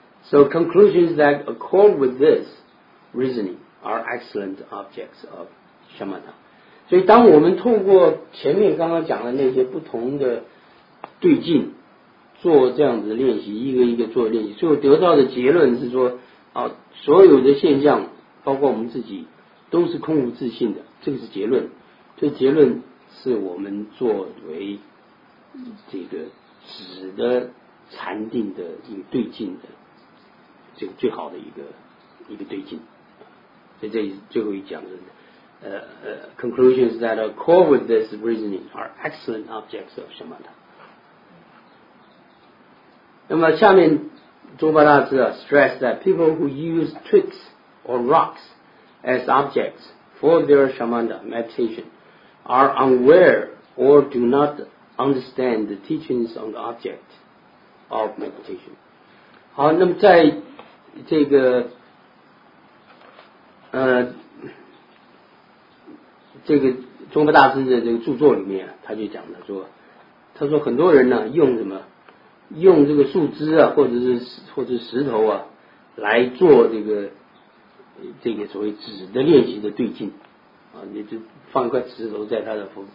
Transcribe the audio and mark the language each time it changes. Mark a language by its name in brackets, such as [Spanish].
[English] So conclusions that accord with this reasoning are excellent objects of shamatha。 [Chinese] 所以当我们透过前面刚刚讲的那些不同的对境做这样子的练习，一个一个做练习，最后得到的结论是说，啊，所有的现象包括我们自己都是空无自性的，这个是结论。这结论是我们作为这个止的禅定的一个对境的这个最好的一个对境。所以这里最后一讲的 [English] conclusion is that accord with this reasoning are excellent objects of shamatha。 [Chinese] 那么下面宗巴大师啊 [English] stress that people who use twigs or rocks as objects for their shamatha meditation are unaware or do not understand the teachings on the object of meditation。 [Chinese] 好，那么在这个这个宗巴大师的这个著作里面，他就讲了说，他说很多人呢用什么，用这个树枝啊，或者是石头啊，来做这个所谓止的练习的对境，啊，你就放一块石头在他的